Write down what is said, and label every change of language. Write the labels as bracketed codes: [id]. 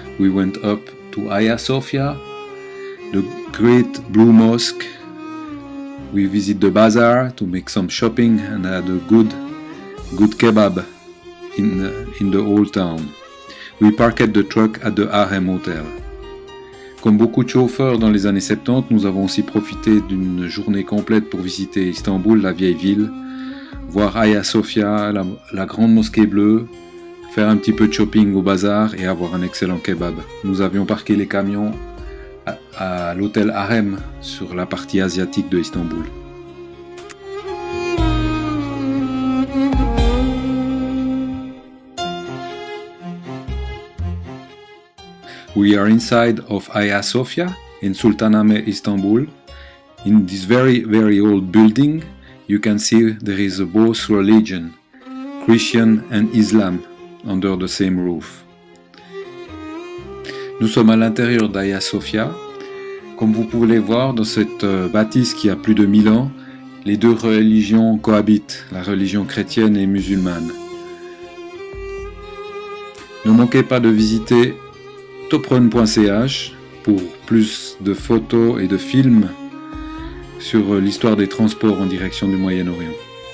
[en] We went up to Hagia Sophia, the great Blue Mosque. We visit the bazaar to make some shopping and had a good kebab in the old town. We parked the truck at the Harem Hotel. [fr] Comme beaucoup de chauffeurs dans les années 70, nous avons aussi profité d'une journée complète pour visiter Istanbul, la vieille ville. Voir Hagia Sophia, la grande mosquée bleue, faire un petit peu de shopping au bazar et avoir un excellent kebab. Nous avions parqué les camions à l'hôtel Harem sur la partie asiatique de Istanbul. [en] We are inside of Hagia Sophia in Sultanahmet, Istanbul, in this very, very old building. You can see there is a both religion, Christian and Islam, under the same roof. [fr] Nous sommes à l'intérieur d'Hagia Sophia. Comme vous pouvez le voir, dans cette bâtisse qui a plus de 1000 ans, les deux religions cohabitent, la religion chrétienne et musulmane. Ne manquez pas de visiter topron.ch pour plus de photos et de films sur l'histoire des transports en direction du Moyen-Orient.